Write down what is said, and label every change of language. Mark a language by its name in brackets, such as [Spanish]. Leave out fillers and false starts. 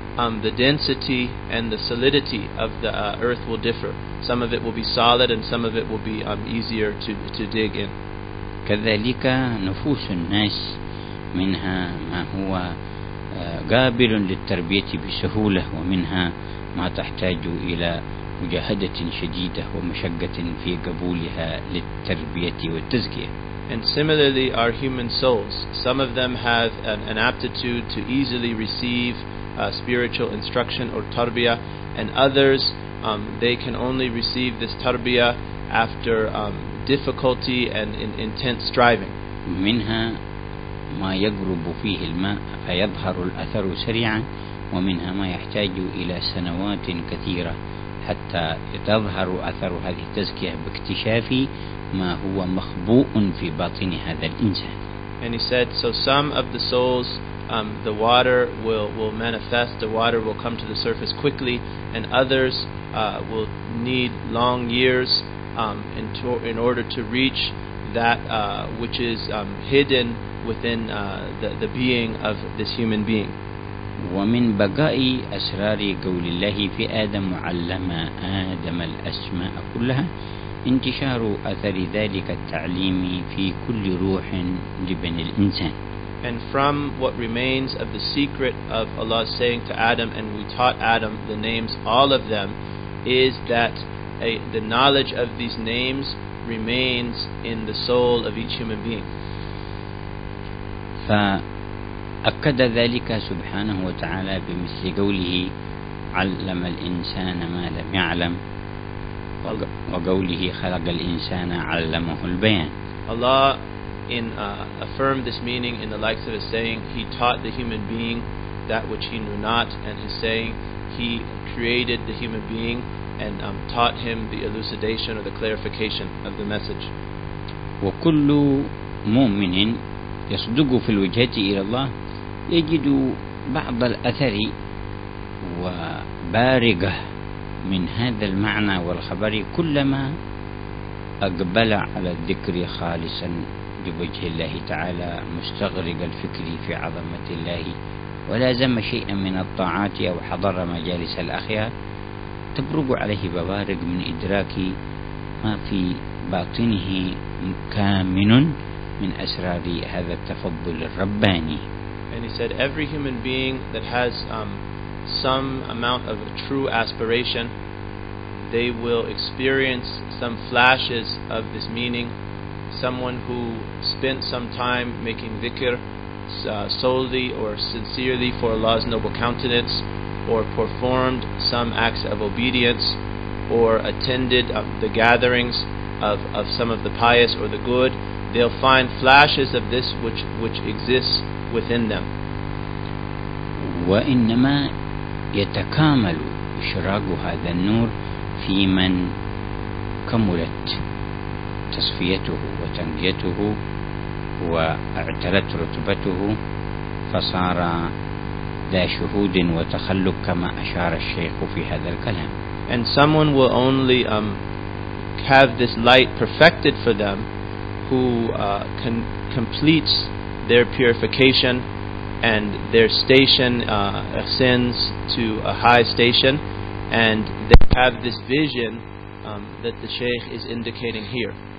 [English] The density and the solidity of the earth will differ. Some of it will be solid and some of it will be easier to dig in. [Arabic] كذلك نفوس الناس منها ما هو قابل للتربية بسهولة ومنها ما تحتاج إلى مجاهدة شديدة ومشقة في قبولها للتربية والتزكية. [English] And similarly our human souls, some of them have an aptitude to easily receive spiritual instruction or tarbiyah, and others they can only receive this tarbiyah after difficulty and in intense striving. [Arabic] منها ما يجرب فيه الماء فيظهر الأثر سريعا ومنها ما يحتاج إلى سنوات كثيرة حتى يظهر أثر هذه التزكية باكتشاف ما هو مخبوء في باطن هذا الإنسان. [English] And he said, so some of the souls the water will manifest, the water will come to the surface quickly, and others will need long years in order to reach that which is hidden within the being of this human being. [Arabic] ومن بقاء أسرار قول الله في آدم علم آدم الأسماء كلها انتشار أثر ذلك التعليم في كل روح لبن الإنسان. [English] And from what remains of the secret of Allah saying to Adam, and we taught Adam the names, all of them, is that the knowledge of these names remains in the soul of each human being. [Arabic] فأكد ذلك سبحانه وتعالى بمثل قوله علم الإنسان ما لم يعلم وقوله خلق الإنسان علمه البيان. [English] Allah in affirmed this meaning in the likes of his saying, he taught the human being that which he knew not, and his saying, he created the human being and taught him the elucidation or the clarification of the message. [Arabic] وكل مؤمن يصدق في الوجهة إلى الله يجد بعض الأثر وبارقة من هذا المعنى والخبر كلما أقبل على الذكر خالصا بوجه الله تعالى مستغرق الفكر في عظمة الله ولازم شيئا من الطاعات أو حضر مجالس الأخيار تبرق عليه ببارق من إدراك ما في باطنه كامن من أسرار هذا التفضل الرباني. [English] And he said every human being that has some amount of true aspiration, they will experience some flashes of this meaning. Someone who spent some time making dhikr solely or sincerely for Allah's noble countenance, or performed some acts of obedience, or attended the gatherings of some of the pious or the good, they'll find flashes of this which exists within them. [Arabic] وإنما يتكامل إشراق هذا النور في من كملت تصفيته وتنقيته واعتلت رتبته فصار ذا شهود وتخلق كما أشار الشيخ في هذا الكلام. [English] And someone will only have this light perfected for them who completes their purification and their station ascends to a high station, and they have this vision that the Shaykh is indicating here.